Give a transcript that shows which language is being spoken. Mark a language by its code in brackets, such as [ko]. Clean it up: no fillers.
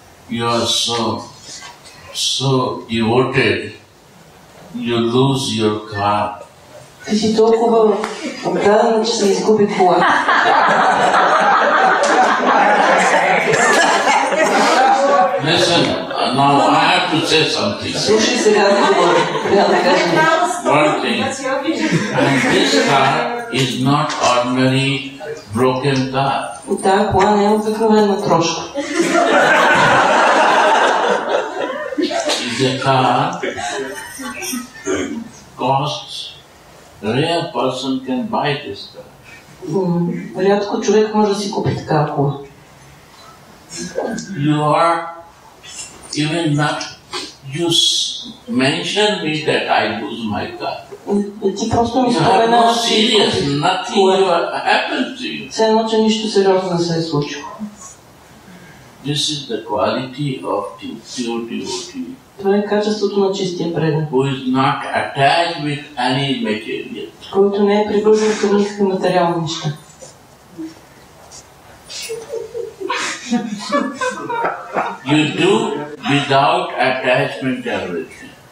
[en] You are so, so devoted, you lose your car. [bg] Ти си толкова отдаден, че се изгуби кола. [en] Listen, now I have to say something. [bg] Слушай сега, трябва да кажем. [en] One thing. And this car is not ordinary broken car. [bg] Тая кола не е обикновена трошка. [en] It's a car costs rare person can buy this car. [bg] Рядко човек може да си купи така кола. [en] You are even not you mention me that I lose my car. [bg] Ти просто ми спомена. [en] You are serious. Nothing ever happened to you. [bg] Все едно, че нищо сериозно не се е случило. [en] This is the quality of the pure devotee. [bg] Това е качеството на чистия предан. [en] Who is not attached with any material. [bg] Който не е приближен към никакви материални неща. [en] You do without attachment everything.